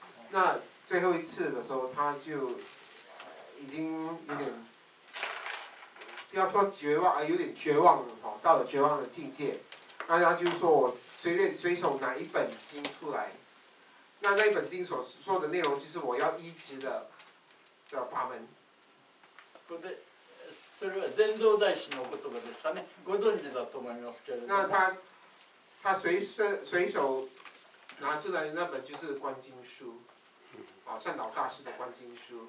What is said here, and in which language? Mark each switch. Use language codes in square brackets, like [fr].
[zh] 那最后一次的时候，他就已经有点，不要说绝望，有点绝望了，到了绝望的境界。那他就说我随便随手拿一本经出来。那一本经所说的内容，就是我要依止的法门。不对， [ja] それは禅宗大師の言葉でしたね。ご存知だと思いますけれども。 [zh] 那他随手拿出来的那本就是《观经书》，啊，善导大师的《观经书》。